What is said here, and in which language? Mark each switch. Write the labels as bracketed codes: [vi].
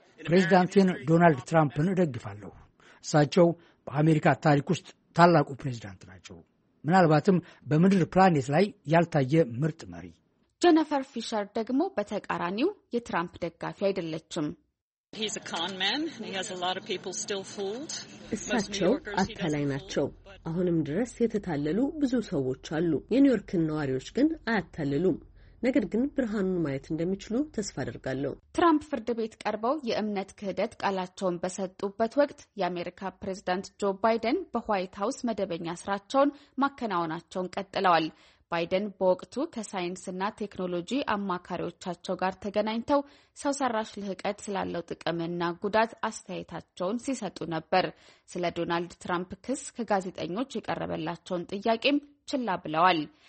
[am] ፕሬዝዳንቱን ዶናልድ ትራምፕን እደግፋለሁ። እሳቸው በአሜሪካ ታሪክ ውስጥ ታላቁ ፕሬዝዳንት ናቸው። ምናልባትም በምድር ፕላኔት ላይ ያልታየ ምርጥ መሪ። ጀነፈር ፊሸር ደግሞ በተቃራኒው የትራምፕ ደጋፊ አይደለችም። [en] He's a con man and he has a lot of people still fooled. [am] እሳቸው አታላይ ናቸው። አሁንም ድረስ የተታለሉ ብዙ ሰዎች አሉ። የኒውዮርክ ነዋሪዎች ግን አያታለሉም። ነገር ግን ብርሃኑን ማየት እንደሚችሉ ተስፋ አደርጋለሁ። ትራምፕ ፍርድ ቤት ቀርበው የእምነት ክህደት ቃላቸውን በሰጡበት ወቅት የአሜሪካ ፕሬዝዳንት ጆ ባይደን በዋይት ሃውስ መደበኛ ስራቸውን ማከናወናቸውን ቀጥለዋል። ባይደን በወቅቱ ከሳይንስና ቴክኖሎጂ አማካሪዎቻቸው ጋር ተገናኝተው ሰው ሰራሽ ልህቀት ስላለው ጥቅምና ጉዳት አስተያየታቸውን ሲሰጡ ነበር። ስለ ዶናልድ ትራምፕ ክስ ከጋዜጠኞች የቀረበላቸውን ጥያቄም ችላ ብለዋል።